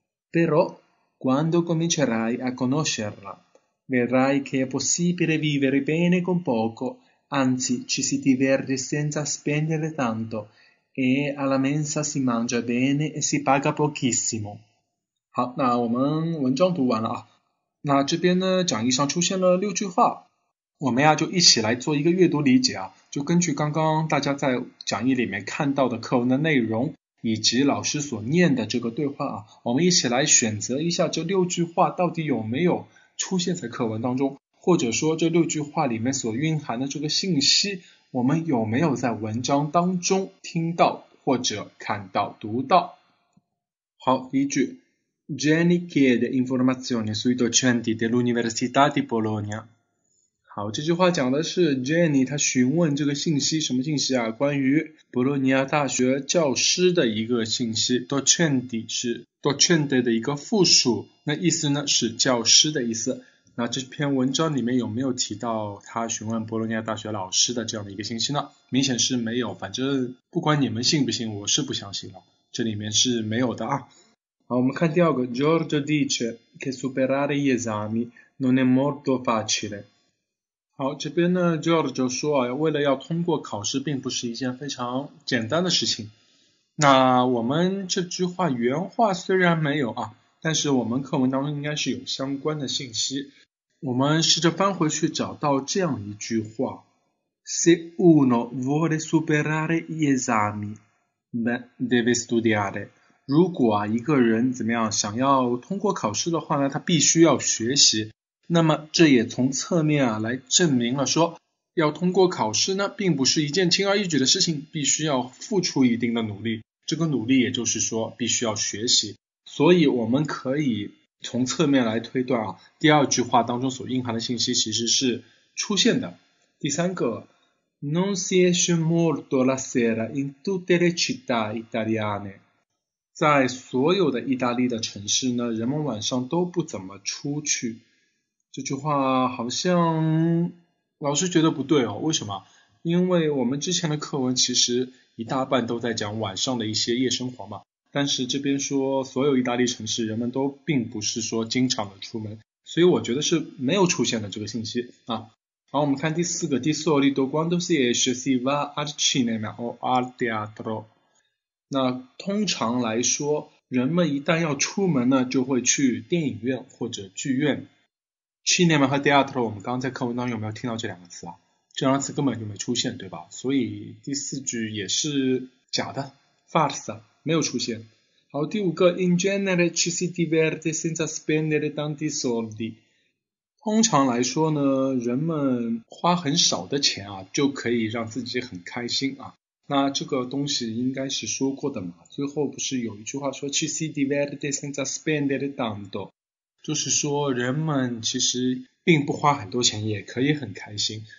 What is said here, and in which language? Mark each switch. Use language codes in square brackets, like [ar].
[it] Però, quando comincerai a conoscerla, vedrai che è possibile vivere bene con poco, anzi ci si diverte senza spendere tanto, e alla mensa si mangia bene e si paga pochissimo. [zh] 好，那我们文章读完了啊。那这边呢，讲义上出现了六句话，我们呀就一起来做一个阅读理解啊。就根据刚刚大家在讲义里面看到的课文的内容，以及老师所念的这个对话啊，我们一起来选择一下这六句话到底有没有出现在课文当中，或者说这六句话里面所蕴含的这个信息，我们有没有在文章当中听到或者看到读到。好，第一句。 [it] Jenny chiede informazioni sui docenti dell'Università di Bologna. [zh] 好，这句话讲的是 Jenny 她询问这个信息，什么信息啊？关于博洛尼亚大学教师的一个信息。 Docenti 是 docente 的一个复数，那意思呢是教师的意思。那这篇文章里面有没有提到他询问博洛尼亚大学老师的这样的一个信息呢？明显是没有，反正不管你们信不信，我是不相信了，这里面是没有的啊。好，我们看第二个。 [it] Giorgio dice che superare gli esami non è molto facile。 [zh] 好，这边呢 Giorgio 说啊，为了要通过考试并不是一件非常简单的事情。那我们这句话原话虽然没有啊，但是我们课文当中应该是有相关的信息。我们试着翻回去找到这样一句话。 [it] Se uno vuole superare gli esami beh, deve studiare。 [zh] 如果啊，一个人怎么样想要通过考试的话呢，他必须要学习。那么这也从侧面啊来证明了说，要通过考试呢，并不是一件轻而易举的事情，必须要付出一定的努力。这个努力也就是说，必须要学习。所以我们可以从侧面来推断啊，第二句话当中所蕴含的信息其实是出现的。第三个 [it] ，Non si esce molto la sera in tutte le città italiane。 [zh] 在所有的意大利的城市呢，人们晚上都不怎么出去。这句话好像老师觉得不对哦，为什么？因为我们之前的课文其实一大半都在讲晚上的一些夜生活嘛。但是这边说所有意大利城市人们都并不是说经常的出门，所以我觉得是没有出现的这个信息啊。好，我们看第四个。 [it] Di solito quando si esce si va al cinema o al teatro。 [zh] 那通常来说，人们一旦要出门呢，就会去电影院或者剧院。 Cinema 和 theater， 我们刚刚在课文当中有没有听到这两个词啊？这两个词根本就没出现，对吧？所以第四句也是假的 ，false， 没有出现。好，第五个 [it] ，In genere ci si diverte senza spendere tanti soldi。 [zh] 通常来说呢，人们花很少的钱啊，就可以让自己很开心啊。那这个东西应该是说过的嘛，最后不是有一句话说 [it] ci si diverte senza spendere tanto， [zh] 就是说人们其实并不花很多钱也可以很开心。